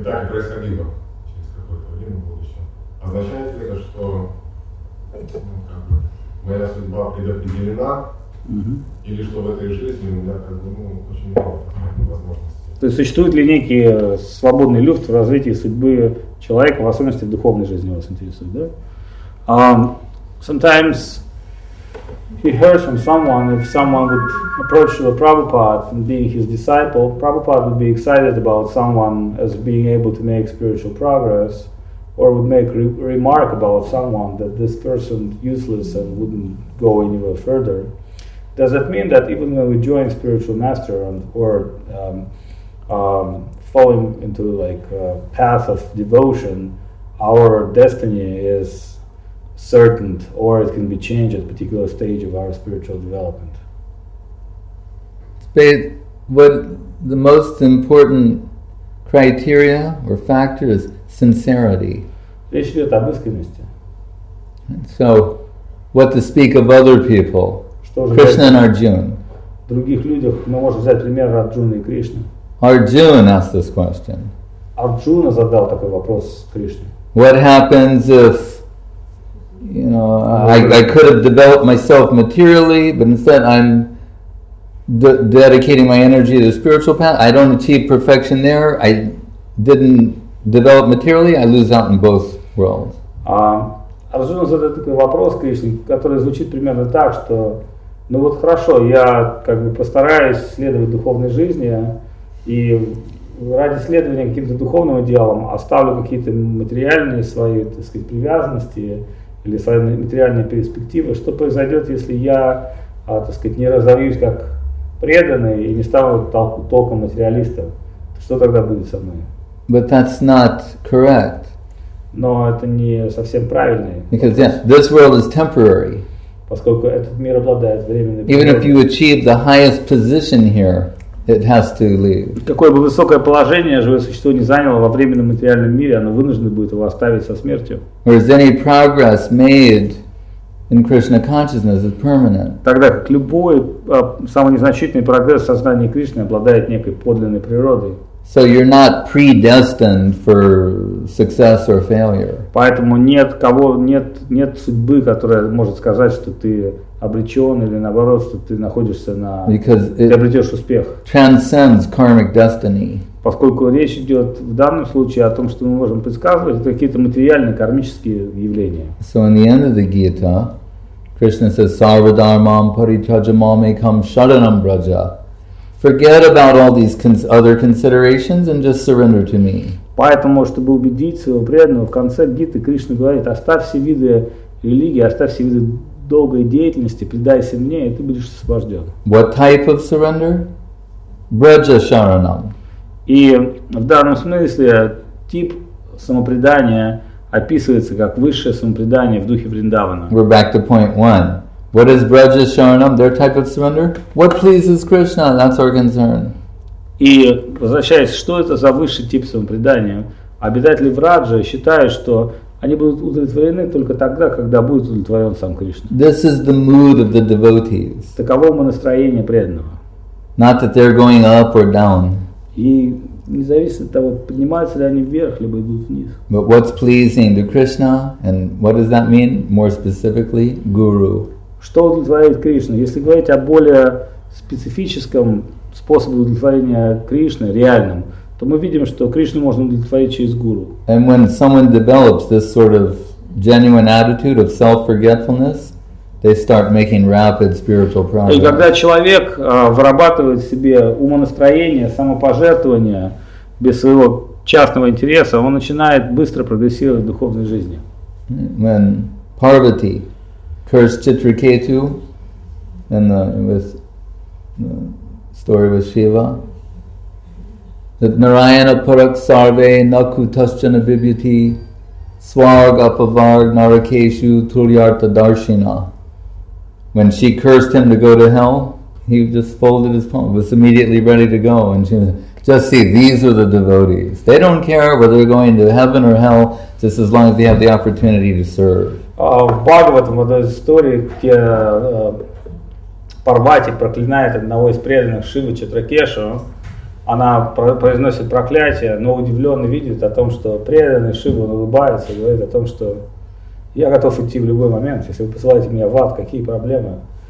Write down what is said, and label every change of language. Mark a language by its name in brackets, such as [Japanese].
[Russian] И так и происходило через какое-то время в будущем. Означает ли это, что, ну, как бы, моя судьба предопределена? Угу. Или что в этой жизни у меня как бы, ну, очень мало возможностей. То есть существует ли некий свободный люфт в развитии судьбы человека, в особенности в духовной жизни вас интересует, да? [English] Sometimes he heard from someone, if someone would approach the Prabhupada and being his disciple, Prabhupada would be excited about someone as being able to make spiritual progress, or would make remark about someone that this person useless and wouldn't go anywhere further. Does that mean that even when we join spiritual master and, or falling into like a path of devotion, our destiny is certain or it can be changed at a particular stage of our spiritual development? What the most important criteria or factor is sincerity. [Russian] Речь идет об искренности. [English] So, what to speak of other people? Krishna and Arjuna. [Russian] Других людях мы можем взять пример Арджуны и Кришны. [English] Arjuna asked this question. [Russian] Арджуна задал такой вопрос Кришне. [English] What happens if, you know, I could have developed myself materially, but instead I'm dedicating my energy to the spiritual path. I don't achieve perfection there. I didn't develop materially. I lose out in both worlds. [Russian] Арджуна задает такой вопрос Кришне, который звучит примерно так, что ну вот хорошо, я как бы постараюсь следовать духовной жизни и ради следования каким-то духовным идеалам оставлю какие-то материальные свои, так сказать, привязанности или свои материальные перспективы. Что произойдет, если я, так сказать, не разовьюсь как преданный и не стану толком материалистом? Что тогда будет со мной? [English] But that's not correct. [Russian] Но это не совсем правильно. [English] Because this world is temporary. [Russian] Поскольку этот мир обладает временной природой. [English] Even if you achieve the highest position here, it has to leave. [Russian] Какое бы высокое положение живое существо не заняло во временном материальном мире, оно вынуждено будет его оставить со смертью. [English] Whereas any progress made in Krishna consciousness is permanent. [Russian] Тогда как любой самый незначительный прогресс в сознании Кришны обладает некой подлинной природой. [English] So you're not predestined for success or failure. [Russian] Поэтому нет кого, нет судьбы, которая может сказать, что ты обречен или наоборот, что ты находишься на, ты обретешь успех. [English] Transcends karmic destiny. [Russian] Поскольку речь идет в данном случае о том, что мы можем предсказывать, это какие-то материальные кармические явления. [English] So in the end of the Gita, Krishna says, [Sanskrit] "Sarva dharmam parityajamam ekam sharanam braja." [English] Forget about all these other considerations and just surrender to me. [Russian] Поэтому, чтобы убедить своего преданного, в конце Гиты Кришна говорит: оставь все виды религии, оставь все виды долгой деятельности, предайся мне, и ты будешь освобожден. [English] What type of surrender? Braja Sharanam. [Russian] И в данном смысле тип самопредания описывается как высшее самопредание в духе Вриндавана. [English] We're back to point one. What is Braja Sharanam, their type of surrender? What pleases Krishna? That's our concern. [Russian] И возвращаясь, что это за высший тип самопредания? Обитатели Враджа считают, что они будут удовлетворены только тогда, когда будет удовлетворен сам Кришна. [English] This is the mood of the devotees. [Russian] Таково настроение преданного. [English] Not that they're going up or down. [Russian] И независимо от того, поднимаются ли они вверх, либо идут вниз. [English] But what's pleasing to Krishna, and what does that mean, more specifically, Guru? [Russian] Что удовлетворяет Кришну? Если говорить о более специфическом способе удовлетворения Кришны, реальном, то мы видим, что Кришну можно удовлетворить через гуру. [English] And when someone develops this sort of genuine attitude of self-forgetfulness, they start making rapid spiritual progress. [Russian] И когда человек вырабатывает в себе умонастроение, самопожертвование без своего частного интереса, он начинает быстро прогрессировать в духовной жизни. [English] When Parvati cursed Chitraketu and the story with Shiva. [Sanskrit] That Narayana Parak Sarve Nakutaschana Bibhuti Swarg Apavarg Narakeshu Tulyarta Darshina. [English] When she cursed him to go to hell, He just folded his palm, was immediately ready to go. And she was, just see, these are the devotees. They don't care whether they're going to heaven or hell, just as long as they have the opportunity to serve. [Russian] В Бхагаватам вот эта история, где Парвати проклинает одного из преданных Шивы Читракешу, она произносит проклятие, но удивленно видит о том, что преданный Шива улыбается, говорит о том, что я готов идти в любой момент, если вы посылаете меня в ад, какие проблемы?